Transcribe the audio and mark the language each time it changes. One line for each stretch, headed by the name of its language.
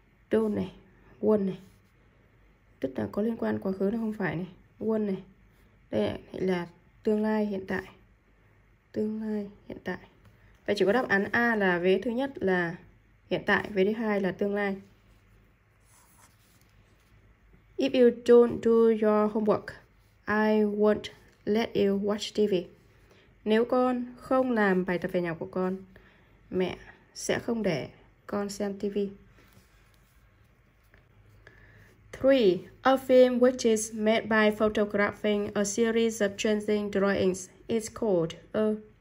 Vietnamese: Don't này, won này, tức là có liên quan quá khứ nó không phải này, won này, đây là tương lai hiện tại, tương lai hiện tại. Vậy chỉ có đáp án A là vế thứ nhất là hiện tại, vế thứ hai là tương lai.
English: If you don't do your homework, I won't let you watch TV.
Vietnamese: Nếu con không làm bài tập về nhà của con, mẹ sẽ không để con xem TV.
English: 3. A film which is made by photographing a series of changing drawings is called a.